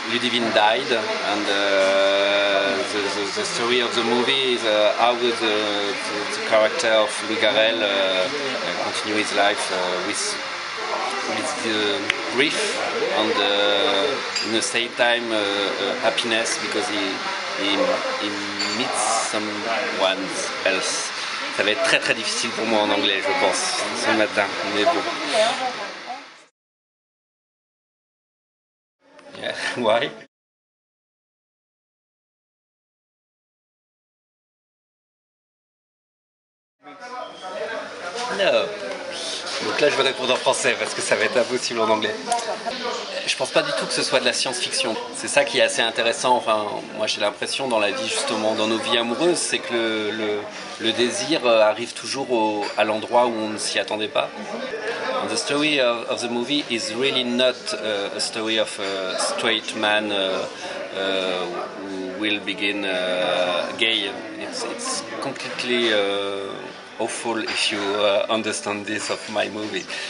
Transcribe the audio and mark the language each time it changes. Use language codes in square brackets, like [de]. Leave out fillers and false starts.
[en] Ludivine died, and the story of the movie is how the character of Louis Garrel continue his life with the grief and in the same time happiness, because he meets someone else. [fr] Ça va être très très difficile pour moi en anglais, je pense, ce matin, mais bon. [en] Why? No. [fr] Donc là, je vais répondre en français parce que ça va être impossible en anglais. Je pense pas du tout que ce soit de la science-fiction. C'est ça qui est assez intéressant. Enfin, moi, j'ai l'impression dans la vie, justement, dans nos vies amoureuses, c'est que le désir arrive toujours à l'endroit où on ne s'y attendait pas. [en] And the story of the movie is really not a story of a straight man who will begin gay. It's completely awful if you understand this of my movie.